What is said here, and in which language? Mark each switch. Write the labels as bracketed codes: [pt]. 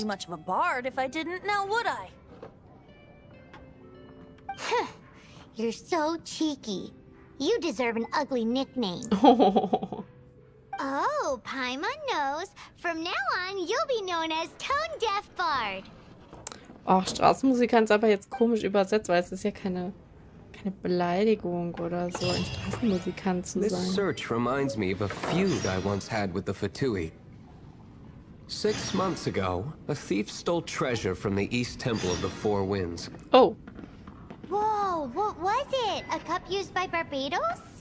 [en] Be much of a bard if I didn't, now would I? You're so cheeky. You deserve an ugly nickname. Oh, Paimon knows. From now on, you'll be known as Tone Deaf Bard. [de] Ach, Straßenmusiker ist aber jetzt komisch übersetzt, weil es ist ja keine Beleidigung oder so, ein Straßenmusiker zu sein. [en] This search reminds me of a feud I once had with the Fatui. 6 months ago, a thief stole treasure from the East Temple of the Four Winds. Oh. What was it? A cup used by Barbados?